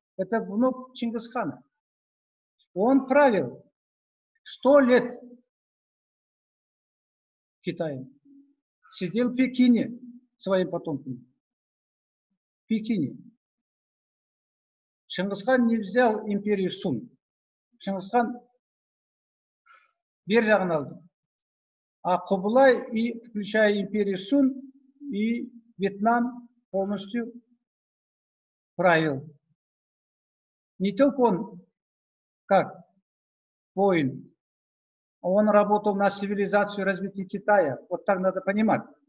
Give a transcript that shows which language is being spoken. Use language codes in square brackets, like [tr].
[ru] Это внук Чингисхана. Он правил 100 лет Китаем. Сидел в Пекине своим потомком. В Пекине. Чингисхан не взял империю Сун. [kk] Чингисхан бер жағын алды. [ru] А Кубылай, и включая империю Сун, и Вьетнам полностью правил. Не только он, как воин, он работал на цивилизацию развития Китая. Вот так надо понимать.